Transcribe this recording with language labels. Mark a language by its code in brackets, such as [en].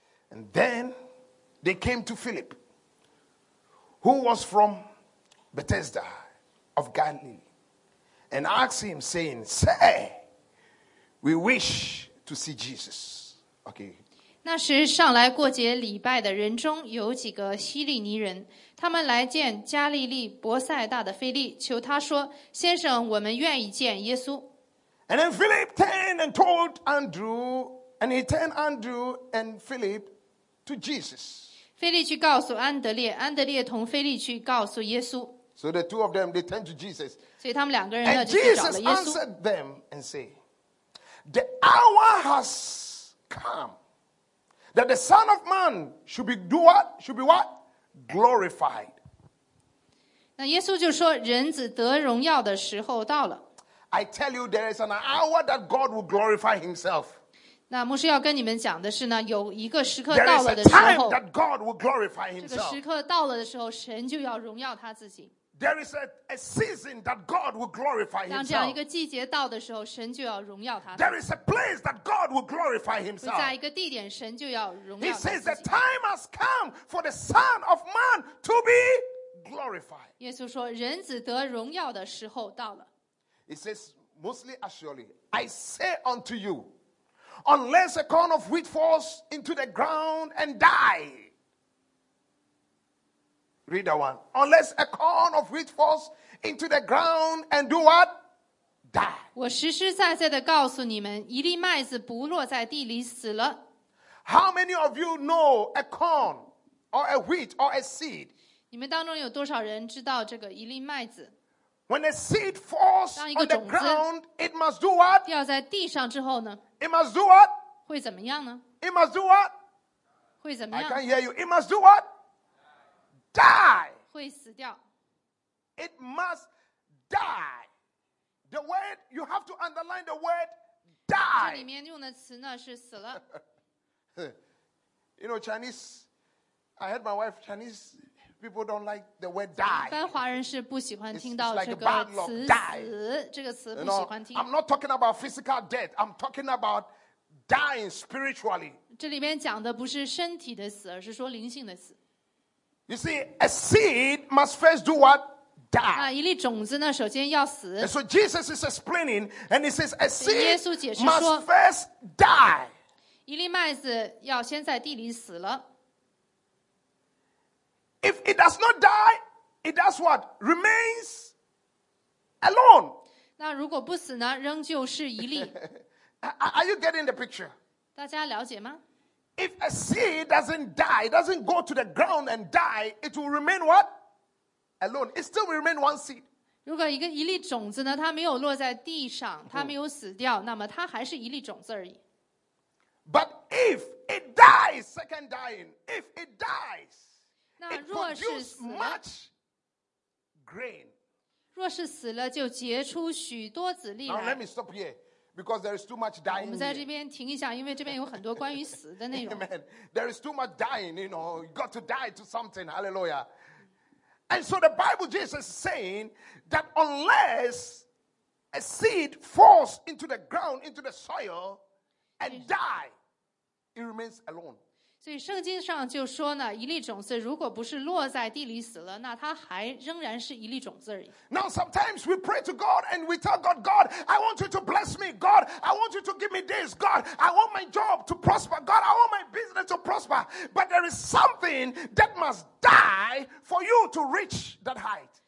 [en] And then they came to Philip, who was from Bethsaida of Galilee. And asked him, saying, Sir, we wish to see Jesus. Okay. [zh] 那时上来过节礼拜的人中有几个希利尼人，他们来见加利利伯塞大的腓力，求他说，先生，我们愿意见耶稣。 [en] And then Philip turned and told Andrew, and he turned Andrew and Philip to Jesus. [zh] 腓力去告诉安德烈，安德烈同腓力去告诉耶稣。 [en] So the two of them, they turned to Jesus. [zh] 所以他们两个人呢, [en] and Jesus answered them and said, The hour has come that the Son of Man should be do what? Should be what? Glorified. [zh] 那耶稣就说, 人子得荣耀的时候到了。 [en] I tell you, there is an hour that God will glorify himself. [zh] 那牧师要跟你们讲的是呢, 有一个时刻到了的时候, [en] There is a time that God will glorify himself. [zh] 这个时刻到了的时候, 神就要荣耀他自己。 [en] There is a season that God will glorify himself. [zh] 当这样一个季节到的时候，神就要荣耀他。 [en] There is a place that God will glorify himself. [zh] 在一个地点，神就要荣耀他。 [en] He says the time has come for the Son of Man to be glorified. [zh] 耶稣说，人子得荣耀的时候到了。 [en] He says, mostly assuredly, I say unto you, unless a corn of wheat falls into the ground and die. Read that one. Unless a corn of wheat falls into the ground and do what? Die. [zh] 我实实在在地告诉你们，一粒麦子不落在地里死了。 [en] How many of you know a corn or a wheat or a seed? [zh] 你们当中有多少人知道这个一粒麦子？ [en] When a seed falls on the ground, it must do what? [zh] 掉在地上之后呢？ [en] It must do what? [zh] 会怎么样呢？ [en] It must do what? [zh] 会怎么样？ [en] I can't hear you. It must do what? Die. [zh] 会死掉。 [en] It must die. The word, you have to underline the word die. [zh] 这里面用的词呢是死了。 [en] You know, Chinese, I heard my wife, Chinese people don't like the word die. [zh] 一般华人是不喜欢听到这个词。 [en] It's like a bad luck, die. [zh] 这个词不喜欢听。 [en] I'm not talking about physical death. I'm talking about dying spiritually. [zh] 这里面讲的不是身体的死，而是说灵性的死。 [en] You see, a seed must first do what? Die. [zh] 那一粒种子呢，首先要死。 [en] And so Jesus is explaining, and he says, a seed [zh] 耶稣解释说, [en] must first die. [zh] 一粒麦子要先在地里死了。 [en] If it does not die, it does what? Remains alone. [zh] 那如果不死呢，仍旧是一粒。 [en] Are you getting the picture? [zh] 大家了解吗？ [en] If a seed doesn't die, doesn't go to the ground and die, it will remain what? Alone. It still will remain one seed. [zh] 如果一粒种子呢，它没有落在地上，它没有死掉，那么它还是一粒种子而已。 [en] But if it dies, second dying, if it dies, it produces much grain. [zh] 若是死了，就结出许多子粒来。 [en] Now let me stop here. Because there is too much dying. [zh] 我们在这边停一下，因为这边有很多关于死的内容。 [en] Amen. There is too much dying. You know, you got to die to something. Hallelujah. And so the Bible, Jesus is saying that unless a seed falls into the ground, into the soil, and die, it remains alone. [zh] 所以圣经上就说呢，一粒种子如果不是落在地里死了，那它还仍然是一粒种子而已。 [en] Now sometimes we pray to God and we tell God, God, I want you to bless me. God, I want you to give me this. God, I want my job to prosper. God, I want my business to prosper. But there is something that must die for you to reach that height.